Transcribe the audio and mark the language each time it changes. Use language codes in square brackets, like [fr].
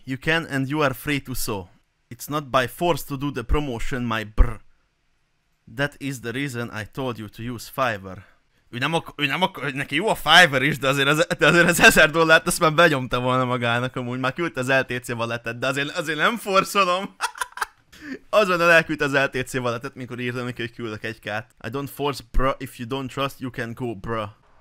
[en] You can and you are free to so. It's not by force to do the promotion, my br. That is the reason I told you to use Fiverr. [hu] Ő nem akar, neki jó a Fiverr is, de azért az $1000 azt már benyomta volna magának amúgy. Már küldte az LTC valetet, de azért nem forszolom. Azonnal elküldte az LTC valetet, mikor írta neki, hogy küldök egy kát. [en] I don't force bra, if you don't trust, you can go bra.